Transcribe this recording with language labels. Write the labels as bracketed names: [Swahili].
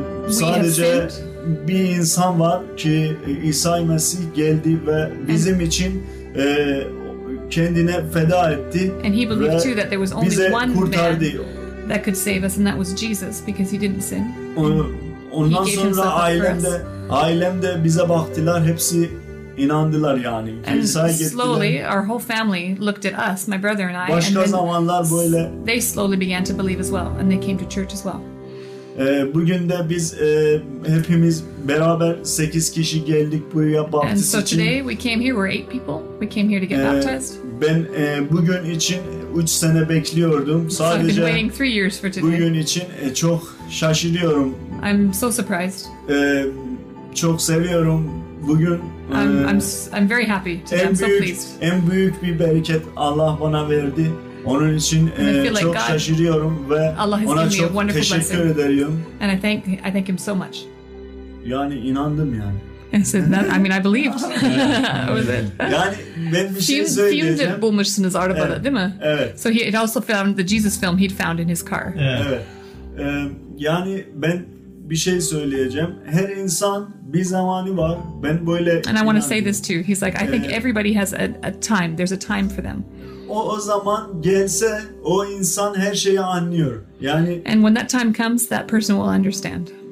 [Turkish] Sadece bir insan var ki İsa Mesih geldi ve bizim için kendine feda etti. [English] And he believed too that there was only one [Turkish] kurtardı. [English] Man that could save us, and that was Jesus, because he didn't sin. [Turkish] Ondan sonra ailem de bize baktılar, hepsi inandılar yani. [English] And slowly, our whole family looked at us, my brother and I. [Turkish] Başka [English] and [Turkish] zamanlar böyle. [English] They slowly began to believe as well, and they came to church as well. [Turkish] Bugün de biz hepimiz beraber 8 kişi geldik buraya baptist için. [English] And so today we came here, we're 8 people. We came here to get baptized. [Turkish] Ben bugün için 3 sene bekliyordum. Sadece [English] so I've been waiting 3 years for today. [Turkish] Bugün için çok şaşırıyorum. [English] I'm so surprised. [Turkish] Çok seviyorum bugün. [English] I'm very happy today. I'm [Turkish] büyük, [English] so pleased. [Turkish] En büyük bir bereket Allah bana verdi. Onun için çok [English] God, [Turkish] şaşırıyorum ve ona çok teşekkür [English] blessing. [Turkish] Ederim. [English] And I thank him so much. [Turkish] Yani inandım yani. [English] And so that, I mean, I believed. Was it? [Turkish] Yani ben bir şey söyleyeceğim. Fumed bulmuşsunuz arabada, evet. Değil mi? Evet. [English] So he also found the Jesus film he'd found in his car. [Turkish] Evet. Yani ben bir şey söyleyeceğim. Her insan bir zamanı var. Ben böyle [English] and [Turkish] inandım. [English] I want to say this too. He's like, I think everybody has a time. There's a time for them. [Turkish] O zaman gelse o insan her şeyi anlıyor. Yani [English] and when that time comes that person will understand.